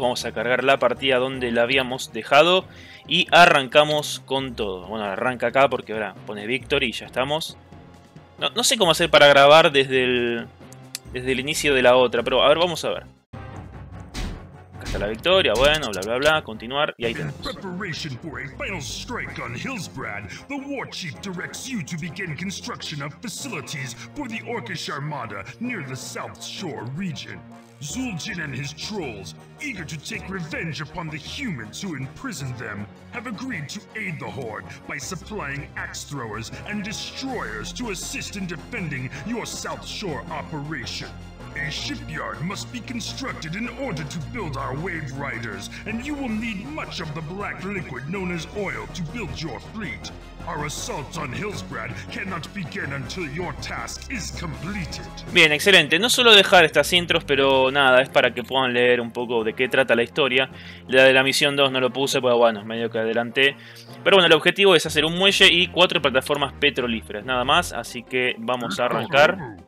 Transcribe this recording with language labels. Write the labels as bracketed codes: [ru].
[es] Vamos a cargar la partida donde la habíamos dejado y arrancamos con todo. Bueno, arranca acá porque ahora pone Victory y ya estamos. No sé cómo hacer para grabar desde el inicio de la otra, pero a ver, vamos a ver. Acá está la victoria, bueno, bla bla bla, continuar y ahí tenemos. [en] Preparation for a final strike on Hillsbrand, the war chief directs you to begin construction of facilities for the Orcish Armada near the South Shore region. Zul'jin and his trolls, eager to take revenge upon the humans who imprisoned them, have agreed to aid the Horde by supplying axe throwers and destroyers to assist in defending your South Shore operation. A shipyard must be constructed in order to build our wave riders, and you will need much of the black liquid known as oil to build your fleet. Our assault on Hillsbrand cannot begin until your task is completed. [es] Bien, excelente. No suelo dejar estas intros, pero nada, es para que puedan leer un poco de qué trata la historia. La de la misión 2 no lo puse, pero bueno, medio que adelanté. Pero bueno, el objetivo es hacer un muelle y 4 plataformas petrolíferas, nada más, así que vamos a arrancar.